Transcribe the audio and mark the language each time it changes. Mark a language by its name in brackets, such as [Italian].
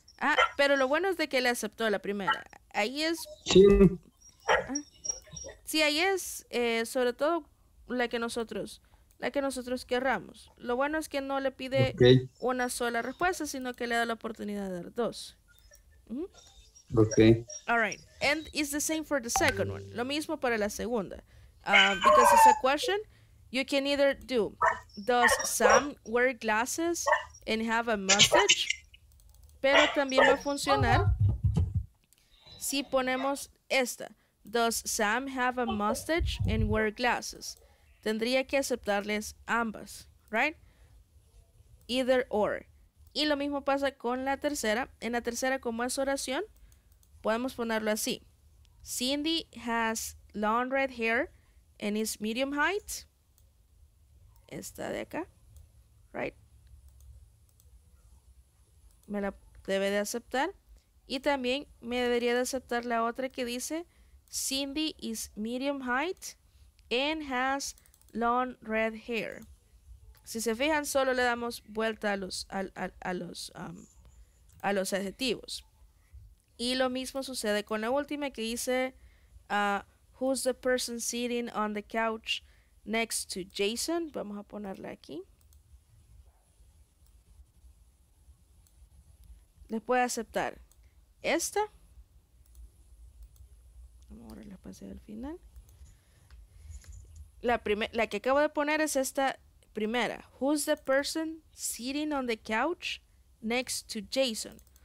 [Spanish] Ah, pero lo bueno es de que le aceptó la primera. Ahí es... Sí. Ah. Sí, ahí es, sobre todo... la que nosotros querramos. Lo bueno es que no le pide okay. una sola respuesta, sino que le da la oportunidad de dar dos. [English] Mm-hmm. Okay. All right. And it's the same for the second one. [Spanish] Lo mismo para la segunda. [English] Because it's a question, you can either do, does Sam wear glasses and have a mustache? [Spanish] Pero también va a funcionar si ponemos esta. [English] Does Sam have a mustache and wear glasses? [Spanish] Tendría que aceptarles ambas, right? [English] Either or. [Spanish] Y lo mismo pasa con la tercera. En la tercera, como es oración, podemos ponerlo así. [English] Cindy has long red hair and is medium height. [Spanish] Esta de acá, right? Me la debe de aceptar. Y también me debería de aceptar la otra que dice [English] Cindy is medium height and has long red hair. [Spanish] Si se fijan, solo le damos vuelta a los adjetivos. Y lo mismo sucede con la última que dice [English] who's the person sitting on the couch next to Jason. [Spanish] Vamos a ponerla aquí. Les puede aceptar esta. Vamos a borrar la pase al final. La que acabo de poner es esta primera. [English] Who's the person sitting on the couch next to Jason?